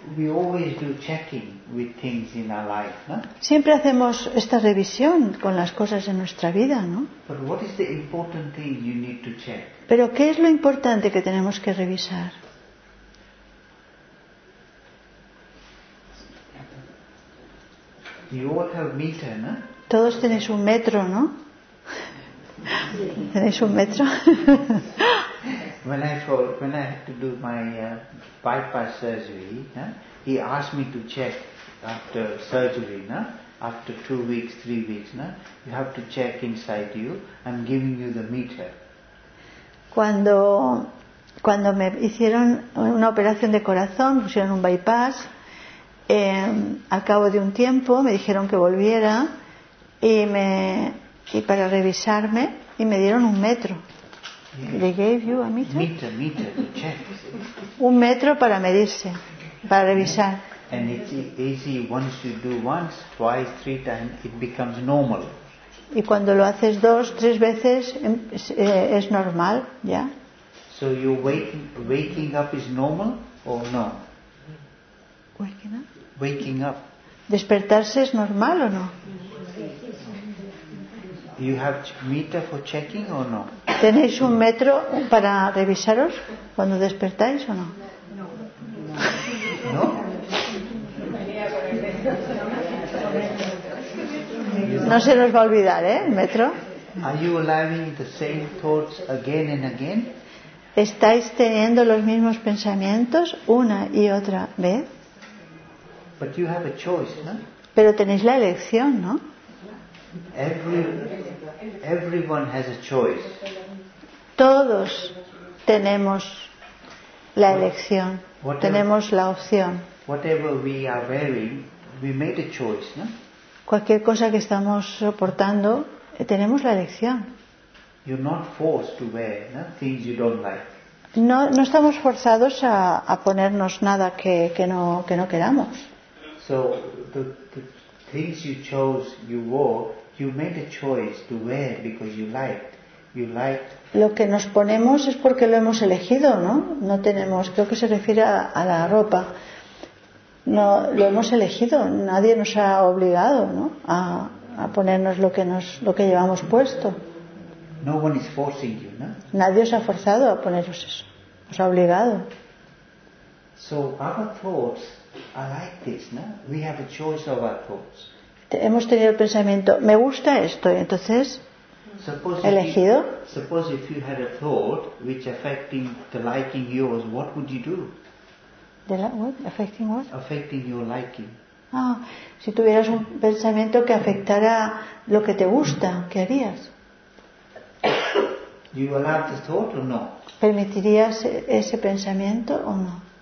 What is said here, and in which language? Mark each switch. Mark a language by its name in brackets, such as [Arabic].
[English] We always do checking with things in our life, no? [Spanish] Siempre hacemos esta revisión con las cosas en nuestra vida, ¿no? [English] But what is the important thing you need to check? [Spanish] Pero ¿qué es lo importante que tenemos que revisar? [English] You all have meter, no? [Spanish] Todos tenéis un metro, ¿no? ¿Tenéis un metro? [English] When I had to do my bypass surgery, he asked me to check after surgery, after 2 weeks, 3 weeks, you have to check inside you. I'm giving you the meter. [Spanish] Cuando me hicieron una operación de corazón, pusieron un bypass, al cabo de un tiempo me dijeron que volviera y para revisarme y me dieron un metro. [English] Yes. They gave you a meter. Meter, to check. [Spanish] Un metro para medirse, para revisar. [English] And it's easy once you do once, twice, three times, it becomes normal. [Spanish] Y cuando lo haces dos, tres veces es normal, ¿ya? [English] So you waking up is normal or no? Waking up. Waking up. [Spanish] ¿Despertarse es normal o no? [English] You have meter for checking or no? [Spanish] ¿Tenéis un metro para revisaros cuando despertáis o no? No. No se nos va a olvidar, ¿eh? El metro. [English] Are you allowing the same thoughts again and again? [Spanish] ¿Estáis teniendo los mismos pensamientos una y otra vez? [English] But you have a choice, no? [Spanish] Pero tenéis la elección, ¿no? [English] Everyone has a choice. [Spanish] Todos tenemos la elección. Tenemos la opción. [English] Whatever we are wearing, we made a choice, no? [Spanish] Cualquier cosa que estamos soportando, tenemos la elección. [English] You're not forced to wear, no? Things you don't like. [Spanish] No estamos forzados a ponernos nada que no queramos. [English] So the things you chose, you wore, you made a choice to wear because you liked. You liked. [Spanish] Lo que nos ponemos es porque lo hemos elegido, ¿no? No tenemos, creo que se refiere a la ropa. No, lo hemos elegido, nadie nos ha obligado, ¿no? A ponernos lo que llevamos puesto. [English] No one is forcing you, no? [Spanish] Nadie os ha forzado a poneros eso. Os ha obligado. [English] So our thoughts are like this, no? We have a choice of our thoughts. [Spanish] Hemos tenido el pensamiento, me gusta esto, y entonces elegido. [English] Suppose if you had a thought which affecting the liking yours, what would you do? Affecting what? Affecting your liking. [Spanish] Ah, si tuvieras un pensamiento que afectara lo que te gusta, ¿qué harías? [English] You allow the thought or no? [Spanish] ¿Permitirías ese pensamiento o no?